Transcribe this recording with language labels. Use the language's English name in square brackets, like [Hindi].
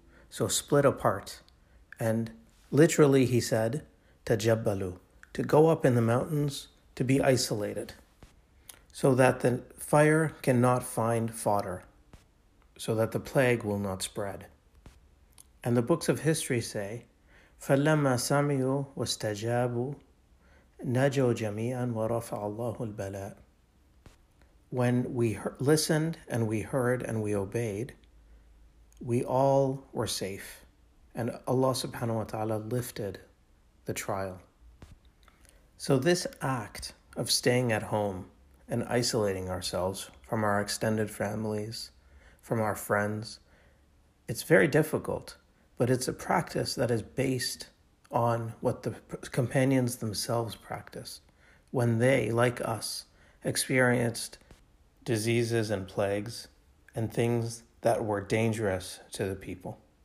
[English] So split apart. And literally he said, Tajabbalu, to go up in the mountains, to be isolated, so that the fire cannot find fodder, so that the plague will not spread. And the books of history say, [Arabic] فَلَمَّا سَمِعُوا وَاسْتَجَابُوا نَجَوْا جَمِيعًا وَرَفَعَ اللَّهُ الْبَلَاءَ. [English] When we listened and we heard and we obeyed, we all were safe, and Allah subhanahu wa ta'ala lifted the trial. So this act of staying at home and isolating ourselves from our extended families, from our friends, it's very difficult, but it's a practice that is based on what the companions themselves practiced when they, like us, experienced diseases and plagues and things that were dangerous to the people.